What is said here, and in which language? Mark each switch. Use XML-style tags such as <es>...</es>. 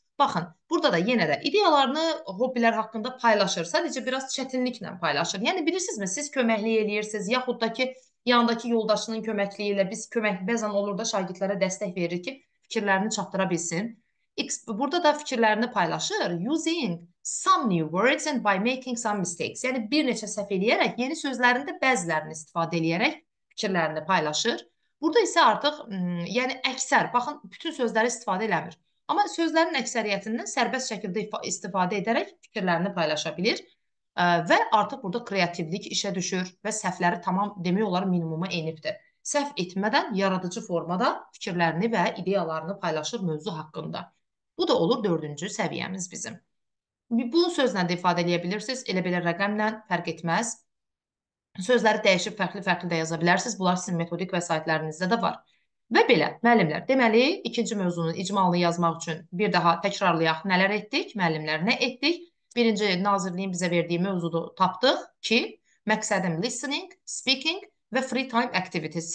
<az>Baxın, burada da yenə də ideyalarını hobbilər haqqında paylaşır. Sadəcə biraz çətinliklə paylaşır. Yəni bilirsinizmi, siz köməklik eləyirsiniz, yaxud da ki, yanındakı yoldaşının köməkliyi ilə biz kömək bəzən olur da şagirdlərə dəstək verir ki, fikirlərini çatdıra bilsin. X burada da fikirlərini paylaşır.</az> <en>Using some new words and by making some mistakes.</en> <az>Yəni bir neçə səhv eləyərək, yeni sözlərində bəzilərini istifadə eləyərək fikirlərini paylaşır. Burada isə artıq, yəni əksər, baxın, bütün sözləri istifadə eləmir. Amma sözlərin əksəriyyətindən sərbəst şəkildə istifadə edərək fikirlərini paylaşa bilir. Və artıq burada kreativlik işə düşür və səhvləri tamam demək olar minimuma enibdir. Səhv etmədən yaradıcı formada fikirlərini və ideyalarını paylaşır mövzu haqqında. Bu da olur dördüncü səviyyəmiz bizim. Bu sözlə də ifadə eləyə bilirsiniz. Elə belə rəqəmlə fərq etməz. Sözləri dəyişib fərqli-fərqli də yaza bilərsiniz. Bunlar sizin metodik vəsaitlərinizdə də var. Və belə, müəllimlər, deməli, ikinci mövzunun icmalını yazmaq üçün bir daha təkrarlayaq. Nələr etdik? Müəllimlər nə etdik? Birinci nazirliyin bizə verdiyi mövzudu tapdıq ki, məqsədim listening, speaking və free time activities.</az>